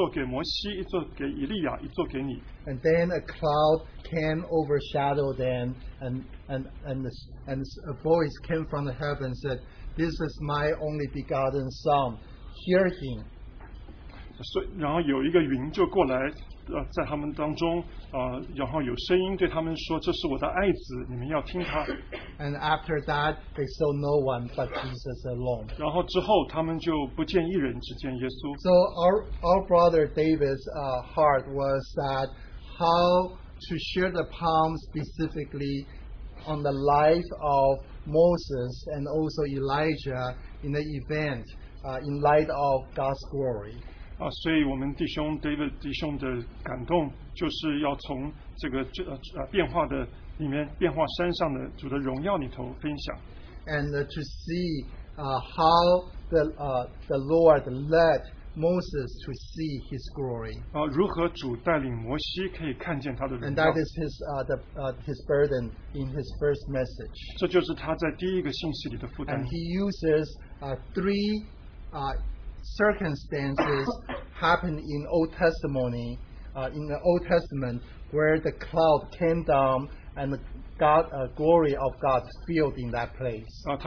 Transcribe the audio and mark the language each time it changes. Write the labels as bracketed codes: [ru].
[zh] 当彼得看到这样的荣耀的时候，他跟主说，愿意我们可以搭三座棚，一座给摩西，一座给以利亚，一座给你。 [en] And then a cloud came overshadowed them, and a voice came from the heaven said, "This is my only begotten Son, hear him." [zh] 然后有一个云就过来。在他们当中，然后有声音对他们说：“这是我的爱子，你们要听他。” [en] And after that, they saw no one but Jesus alone. [zh] 然后之后，他们就不见一人，只见耶稣。 [en] So our brother David's heart was that how to share the palm specifically on the life of Moses and also Elijah in the event in light of God's glory. [zh] 所以我们弟兄 David 弟兄的感动，就是要从这个变化的里面，变化山上的主的荣耀里头分享。 [en] And to see how the Lord led Moses to see His glory. [zh] 如何主带领摩西可以看见他的荣耀。 [en] And that is his burden in his first message. [zh] 这就是他在第一个信息里的负担。 [en] And he uses three circumstances happened in Old Testimony, in the Old Testament, where the cloud came down and God, glory of God filled in that place.